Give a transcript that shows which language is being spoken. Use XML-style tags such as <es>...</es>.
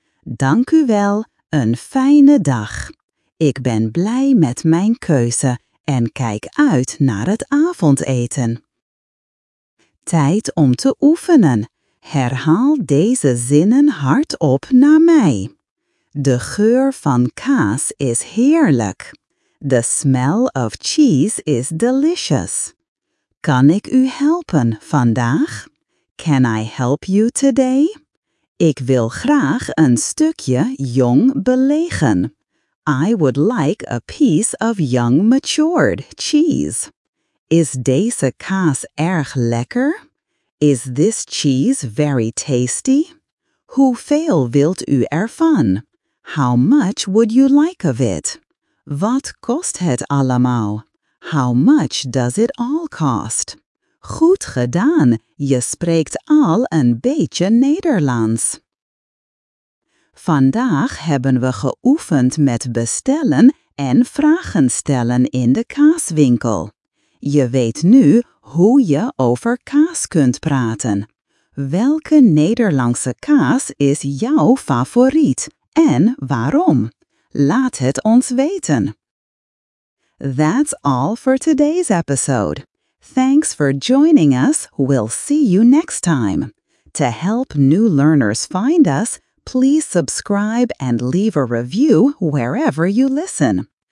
<nl>Dank u wel, een fijne dag. Ik ben blij met mijn keuze en kijk uit naar het avondeten. Tijd om te oefenen. Herhaal deze zinnen hardop na mij. De geur van kaas is heerlijk.</nl> <en>The smell of cheese is delicious.</en> <nl>Kan ik u helpen vandaag?</nl> <en>Can I help you today?</en> <nl>Ik wil graag een stukje jong belegen.</nl> <en>I would like a piece of young matured cheese.</en> <nl>Is deze kaas erg lekker?</nl> <en>Is this cheese very tasty?</en> <nl>Hoeveel wilt u ervan?</nl> <en>How much would you like of it?</en> <nl>Wat kost het allemaal?</nl> <en>How much does it all cost?</en> <nl>Goed gedaan, je spreekt al een beetje Nederlands. Vandaag hebben we geoefend met bestellen en vragen stellen in de kaaswinkel. Je weet nu hoe je over kaas kunt praten. Welke Nederlandse kaas is jouw favoriet en waarom? Laat het ons weten.</nl> <en>That's all for today's episode. Thanks for joining us. We'll see you next time. To help new learners find us, please subscribe and leave a review wherever you listen.</en>